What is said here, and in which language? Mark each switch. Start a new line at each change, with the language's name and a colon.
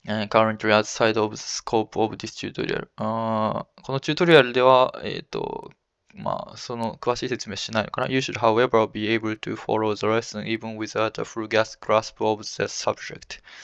English: currently outside of the scope of this tutorial.
Japanese: このチュートリアルでは、まあ、その詳しい説明しないのかな。
English: You should, however, be able to follow the lesson even without a full grasp of the subject.